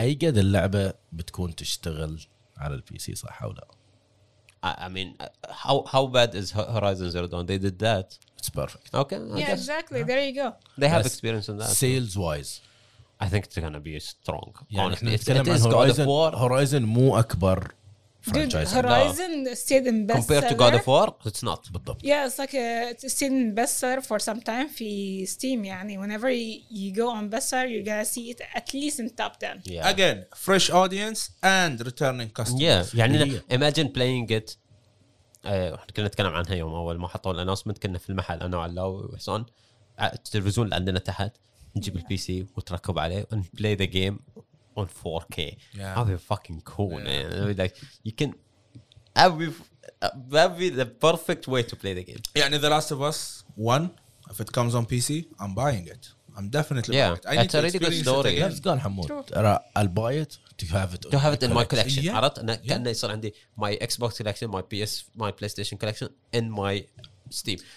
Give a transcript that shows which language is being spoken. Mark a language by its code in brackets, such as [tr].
[ar] أي قد اللعبة بتكون تشتغل على PC صح ولا؟ [en] I mean, how bad is Horizon Zero Dawn? They did that. It's perfect. Okay. Exactly. There you go. They have experience in that. Sales wise, I think it's gonna be strong. Honestly, it is Horizon, God of War. [ar] Horizon مو أكبر franchise. [en] Horizon stayed in best. Compared to God of War, it's not. [ar] بالضبط. [en] Yeah, it's like it's stayed in bestseller for some time [ar] في Steam. [en] يعني whenever you go on bestseller, you're gonna see it at least in top 10. Yeah. Again, fresh audience and returning customers. Yeah. يعني imagine playing it. [ar] كنا نتكلم عنها يوم أول ما حطوا الأنونسمنت كنا في المحل أنا وعلا وحسون التلفزيون اللي عندنا تحت نجيب البي سي وتركب عليه [en] and play the game. On 4K, yeah. That'd be fucking cool, yeah. Man. Like you can, that'd be the perfect way to play the game. Yeah, and The Last of Us 1, if it comes on PC, I'm buying it. I'm definitely buying it. I need to experience story. It again. Let's go, Hamoud. I'll buy it to have it. To have it in my collection. Yeah. [ar] عرفت أنا كأن يصير عندي [en] my Xbox collection, my PS, my PlayStation collection, and my Steam.